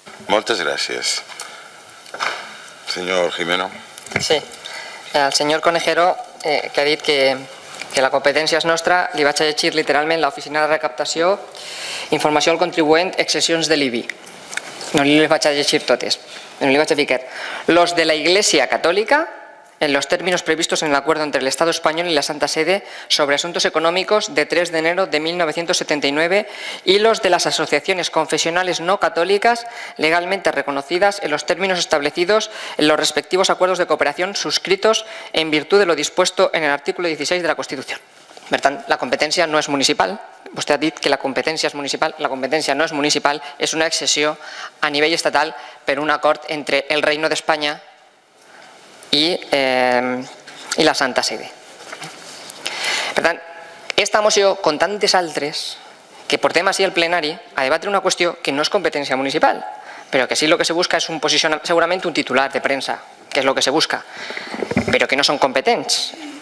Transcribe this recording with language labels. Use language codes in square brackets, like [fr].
[ca] Moltes gràcies. Senyor Gimeno. Sí, el senyor Conejero, que ha dit que que la competència és nostra, li vaig llegir literalment l'oficina de recaptació, informació al contribuent, excepcions de l'IBI. No li vaig llegir totes, no li vaig ficar. [es] Los de la Iglesia Católica, en los términos previstos en el acuerdo entre el Estado español y la Santa Sede sobre asuntos económicos de 3 de enero de 1979 y los de las asociaciones confesionales no católicas legalmente reconocidas en los términos establecidos en los respectivos acuerdos de cooperación suscritos en virtud de lo dispuesto en el artículo 16 de la Constitución. [ca] Per tant, la competència no és municipal. Vostè ha dit que la competència és municipal. La competència no és municipal, és una excepció a nivell estatal per un acord entre el Reino d'Espanya i la Santa Sede. Per tant, aquesta moció, com tantes altres, que portem així al plenari, a debatre una qüestió que no és competència municipal, però que sí el que se busca és un posicionament, segurament un titular de premsa, que és el que se busca, però que no són competents.